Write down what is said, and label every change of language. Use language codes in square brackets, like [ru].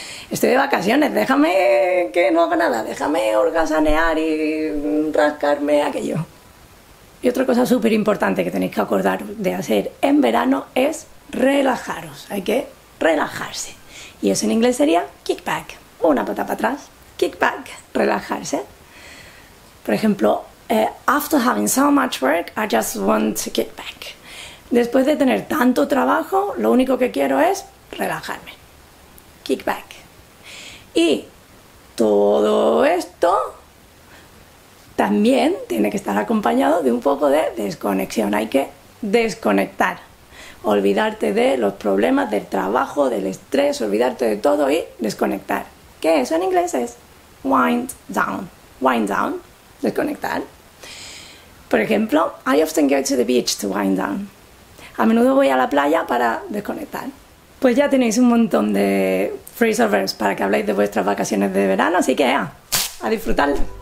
[es] Estoy de vacaciones, déjame que no haga nada, déjame holgazanear y rascarme aquello. Y otra cosa súper importante que tenéis que acordar de hacer en verano es relajaros. Hay que relajarse. Y eso en inglés sería kickback. Una pata para atrás. Kickback, relajarse. Por ejemplo, [en] after having so much work, I just want to kick back. [es] Después de tener tanto trabajo, lo único que quiero es relajarme. Kick back. Y todo esto también tiene que estar acompañado de un poco de desconexión. Hay que desconectar. Olvidarte de los problemas del trabajo, del estrés, olvidarte de todo y desconectar. Que eso en inglés es wind down. [en] Wind down, desconectar. [es] Por ejemplo, [en] I often go to the beach to wind down. [es] A menudo voy a la playa para desconectar. Pues ya tenéis un montón de phrasal verbs para que habléis de vuestras vacaciones de verano, así que a disfrutarlas.